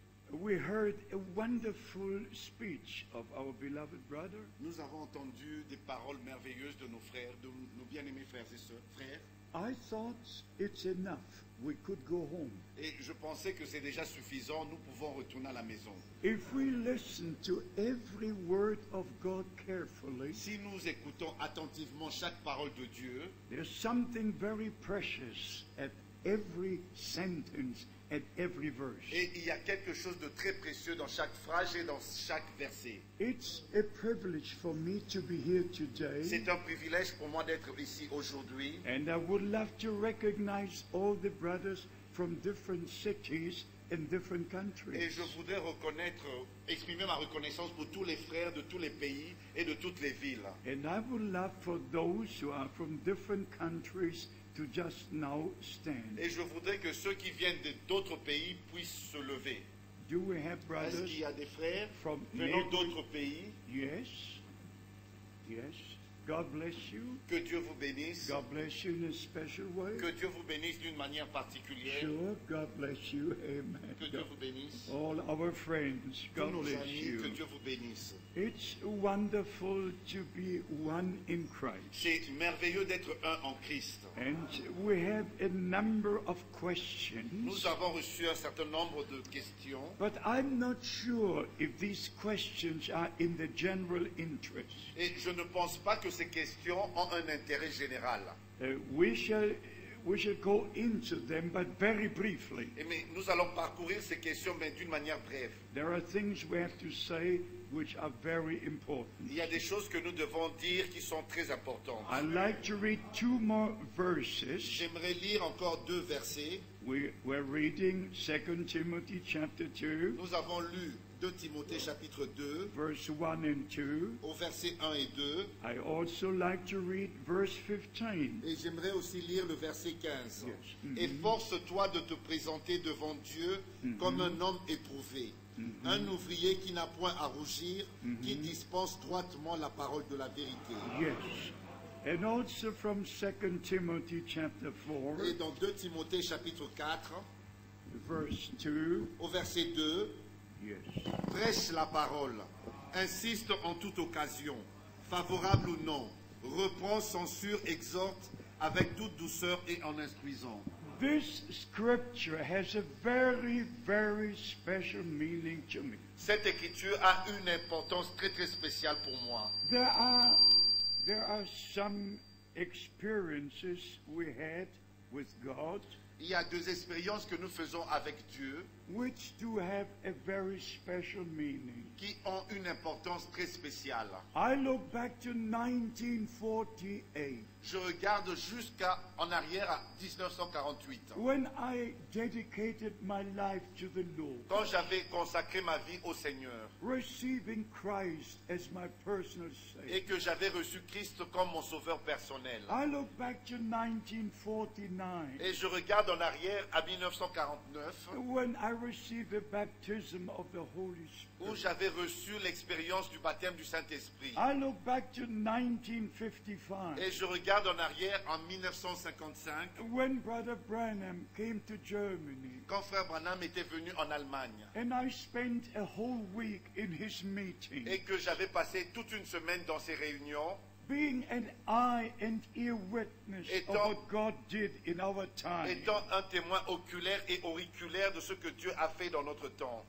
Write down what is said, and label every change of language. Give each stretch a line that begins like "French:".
English: We heard a wonderful speech of our beloved brother.
French: Nous avons entendu des paroles merveilleuses de nos frères, de nos bien-aimés frères et sœurs. Frères.
English: I thought it's enough. We could go home.
French: Et je pensais que c'est déjà suffisant, nous pouvons retourner à la maison.
English: If we listen to every word of God carefully,
French: si nous écoutons attentivement chaque parole de Dieu,
English: there's something very precious at every sentence, at every verse.
French: Et il y a quelque chose de très précieux dans chaque phrase et dans chaque verset.
English: It's a privilege for me to be here today.
French: C'est un privilège pour moi d'être ici aujourd'hui.
English: And I would love to recognize all the brothers from different cities and different countries.
French: Et je voudrais reconnaître, exprimer ma reconnaissance pour tous les frères de tous les pays et de toutes les villes.
English: And I would love for those who are from different countries to just now stand.
French: Et je voudrais que ceux qui viennent d'autres pays puissent se lever.
English: Do we have brothers?
French: Est-ce qu'il y a des frères venant d'autres pays?
English: Yes. Yes. God bless you.
French: Que Dieu vous bénisse.
English: God bless you in a special way.
French: Que Dieu vous bénisse d'une manière particulière.
English: Sure. God bless you. Amen.
French: Que Dieu vous bénisse.
English: All our friends. God bless you.
French: Que Dieu vous bénisse.
English: It's wonderful to be one in Christ.
French: C'est merveilleux d'être un en Christ.
English: And we have a number of questions.
French: Nous avons reçu un certain nombre de questions.
English: But I'm not sure if these questions are in the general interest.
French: Et je ne pense pas que ces questions ont un intérêt général.
English: We shall go into them, but very briefly.
French: Mais nous allons parcourir ces questions, mais d'une manière brève.
English: There are things we have to say which are very important.
French: Il y a des choses que nous devons dire qui sont très importantes.
English: I'd like to read two more verses.
French: J'aimerais lire encore deux versets.
English: We're reading 2 Timothy chapter 2.
French: Nous avons lu 2 Timothée chapitre 2,
English: verse 1 and 2,
French: au verset 1 et 2.
English: I also like to read verse 15.
French: Et j'aimerais aussi lire le verset 15.
English: Yes. Mm-hmm.
French: Efforce-toi de te présenter devant Dieu mm-hmm. comme un homme éprouvé, mm-hmm. un ouvrier qui n'a point à rougir, mm-hmm. qui dispense droitement la parole de la vérité.
English: Yes. And also from 2 Timothy chapter 4.
French: Et dans 2 Timothée chapitre 4,
English: verse 2,
French: au verset 2.
English: Yes.
French: Prêche la parole, insiste en toute occasion, favorable ou non, reprends, censure, exhorte avec toute douceur et en instruisant.
English: This scripture has a very, very special meaning to me.
French: Cette écriture a une importance très, très spéciale pour moi.
English: There are some experiences we had with God.
French: Il y a deux expériences que nous faisons avec Dieu
English: which do have a very special meaning.
French: Qui ont une importance très spéciale.
English: I look back to 1948.
French: Je regarde jusqu'à en arrière à 1948.
English: When I dedicated my life to the Lord.
French: Quand j'avais consacré ma vie au Seigneur.
English: Receiving Christ as my personal savior.
French: Et que j'avais reçu Christ comme mon sauveur personnel.
English: I look back to 1949.
French: Et je regarde en arrière à 1949.
English: When I received the baptism of the Holy Spirit.
French: Où j'avais reçu l'expérience du baptême du Saint-Esprit.
English: I look back to 1955.
French: Et je regarde en arrière en 1955.
English: When Brother Branham came to Germany.
French: Quand Frère Branham était venu en Allemagne.
English: And I spent a whole week in his meeting.
French: Et que j'avais passé toute une semaine dans ses réunions.
English: Being an eye and ear witness
French: étant,
English: of what God did in our time.
French: Étant un témoin oculaire et auriculaire de ce que Dieu a fait dans notre temps.